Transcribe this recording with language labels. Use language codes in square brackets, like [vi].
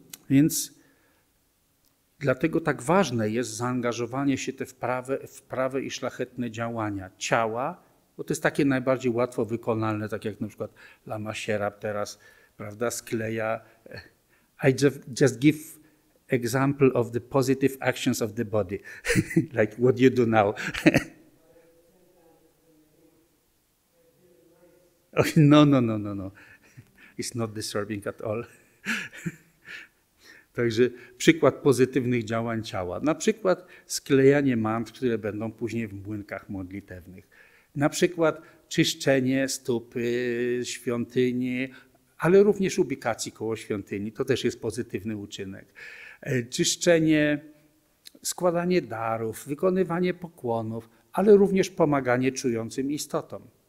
[pl] Więc dlatego tak ważne jest zaangażowanie się te w prawe i szlachetne działania ciała, bo to jest takie najbardziej łatwo wykonalne, tak jak na przykład Lama Sherab teraz, prawda, skleja. [en] I just give example of the positive actions of the body, like what you do now. No. It's not disturbing at all. [pl] Także przykład pozytywnych działań ciała. Na przykład sklejanie mantr, które będą później w młynkach modlitewnych. Na przykład czyszczenie stópy świątyni, ale również ubikacji koło świątyni. To też jest pozytywny uczynek. Czyszczenie, składanie darów, wykonywanie pokłonów, ale również pomaganie czującym istotom.